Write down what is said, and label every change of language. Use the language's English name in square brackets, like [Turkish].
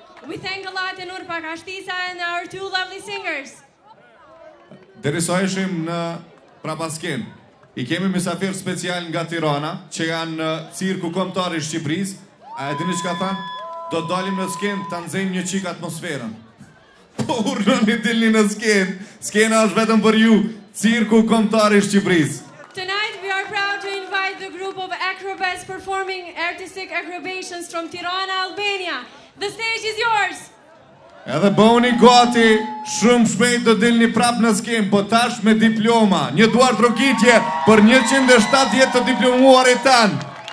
[English] We thank a lot Enur Pakashticës and our two lovely singers. [Albanian] Derisa ishim në prapaskenë, i kemi mysafir special nga Tirana, që janë cirku kombëtar i Shqipërisë. A e dini çka thanë? Do të dalim në skenë ta nxejmë një çik atmosferën. [English] Tonight we are proud to invite the group of acrobats performing artistic acrobations from Tirana, Albania. The stage is yours. [Albanian] Edhe bëhuni gati, shumë shpejt do dilni prap në skenë, po tash me diploma. Një duar trokitje për 170 të diplomuarit tanë.